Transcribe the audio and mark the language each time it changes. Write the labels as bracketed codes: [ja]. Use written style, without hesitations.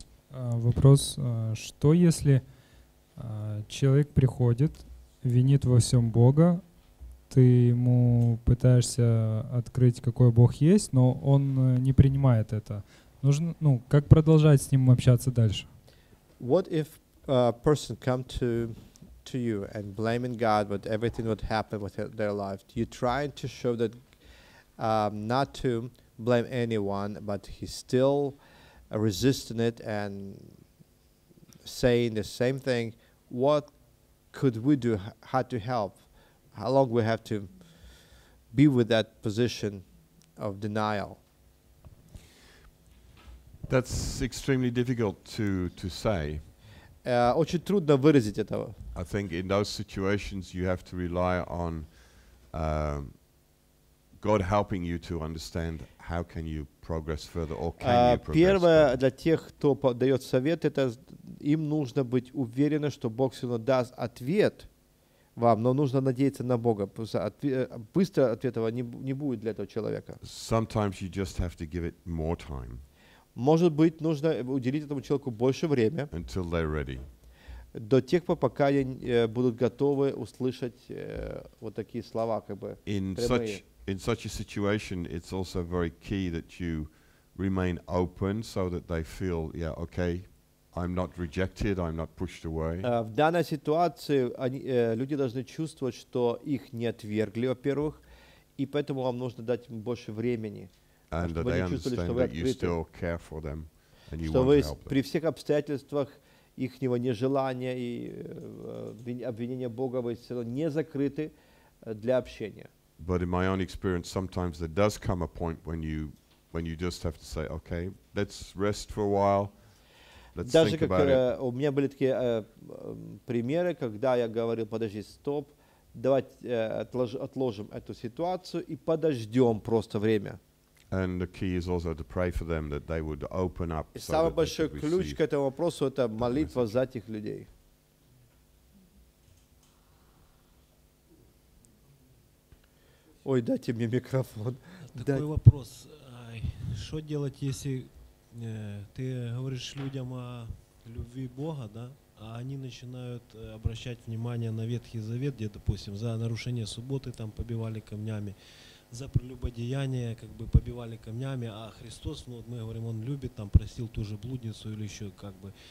[ru] Вопрос, что если человек приходит, винит во всем Бога, ты ему пытаешься открыть, какой Бог есть, но он не принимает это. Нужно, ну, как продолжать с ним общаться дальше? [en] What if a person come to you and blaming God with everything that happened with their life? You trying to show that not to blame anyone, but he's still resisting it and saying the same thing. What could we do? How to help? How long we have to be with that position of denial? That's extremely difficult to say. [ru] Очень трудно выразить это. [en] I think in those situations you have to rely on God helping you to understand how can you progress further or can you progress. [ru] Первое для тех, кто подает совет, это им нужно быть уверены, что Бог всегда даст ответ вам, но нужно надеяться на Бога. Быстро ответа не будет для этого человека. [en] Sometimes you just have to give it more time. [ru] Может быть, нужно уделить этому человеку больше времени. [en] Until they're ready. [ru] До тех пор, пока они будут готовы услышать вот такие слова, как бы. [en] In such a situation, it's also very key that you remain open so that they feel, yeah, okay, I'm not rejected, I'm not pushed away. [ru] В данной ситуации люди должны чувствовать, что их не отвергли, во-первых, и поэтому вам нужно дать им больше времени. [en] And that they understand that you still care for them and you want to help them. [ru] При всех обстоятельствах их нежелания и обвинения Бога, вы все равно не закрыты для общения. [en] But in my own experience, sometimes there does come a point when you just have to say, okay, let's rest for a while. Let's [ru] Даже [en] think [ru] как [en] about [ru] у меня были такие примеры, когда я говорил, подожди, стоп, давайте отложим эту ситуацию и подождем просто время. [en] And the key is also to pray for them that they would open up. [ru] И самый большой ключ к этому вопросу — это молитва за этих людей. Ой, дайте мне микрофон. Такой вопрос. Что делать, если ты говоришь людям о любви Бога, да, а они начинают обращать внимание на Ветхий Завет, где, допустим, за нарушение субботы там побивали камнями, за прелюбодеяние как бы побивали камнями, а Христос, ну, вот мы говорим, он любит, там простил ту же блудницу или еще как бы.